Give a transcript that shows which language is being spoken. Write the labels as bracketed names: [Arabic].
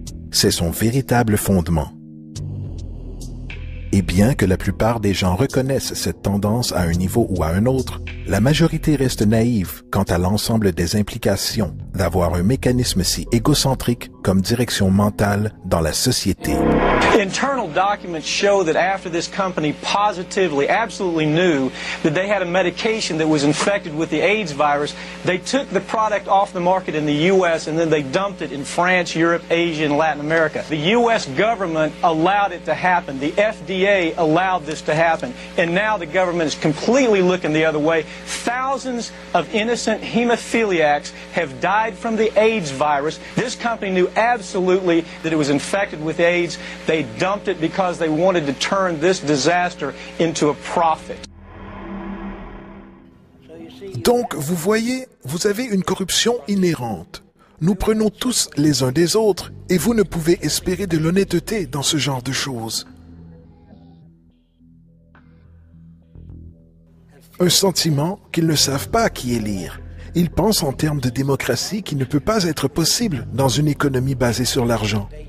[French] C'est son véritable fondement. Et bien que la plupart des gens reconnaissent cette tendance à un niveau ou à un autre, la majorité reste naïve quant à l'ensemble des implications d'avoir un mécanisme si égocentrique comme direction mentale dans la société. [English] Internal documents show that after this company positively, absolutely knew that they had a medication that was infected with the AIDS virus, they took the product off the market in the U.S. and then they dumped it in France, Europe, Asia, and Latin America. The U.S. government allowed it to happen. The FDA allowed this to happen. And now the government is completely looking the other way. Thousands of innocent hemophiliacs have died from the AIDS virus. This company knew absolutely that it was infected with AIDS. They dumped it because they wanted to turn this disaster into a profit. [French] Donc, vous voyez, vous avez une corruption inhérente. Nous prenons tous les uns des autres et vous ne pouvez espérer de l'honnêteté dans ce genre de choses. Un sentiment qu'ils ne savent pas qui élire. Ils pensent en termes de démocratie qui ne peut pas être possible dans une économie basée sur l'argent.